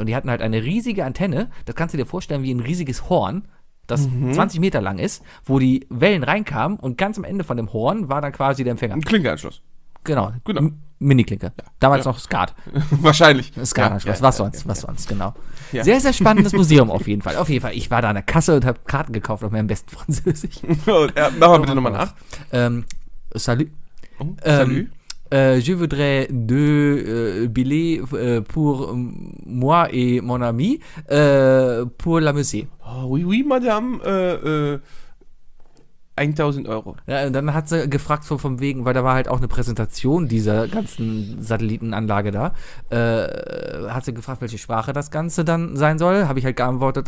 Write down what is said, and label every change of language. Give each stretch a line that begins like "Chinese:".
German: Und die hatten halt eine riesige Antenne, das kannst du dir vorstellen wie ein riesiges Horn, das 20 Meter lang ist, wo die Wellen reinkamen und ganz am Ende von dem Horn war dann quasi der Empfänger. Ein Klinkeranschluss. Genau. Mini-Klinke. Ja. Damals noch Skat. Wahrscheinlich. Skat-Anschluss. Ja, was sonst, genau. Ja. Sehr, sehr spannendes Museum auf jeden Fall. Auf jeden Fall. Ich war da an der Kasse und habe Karten gekauft auf meinem besten Französisch. Ja, mach mal bitte nochmal nach.
French: Salut. Oh, salut. Je voudrais deux billets pour moi et mon ami pour la musée. Oh, oui, madame. 1.000 Euro.
German: Ja, und dann hat sie gefragt vom Wegen, weil da war halt auch eine Präsentation dieser ganzen Satellitenanlage da, hat sie gefragt, welche Sprache das Ganze dann sein soll. Habe ich halt geantwortet,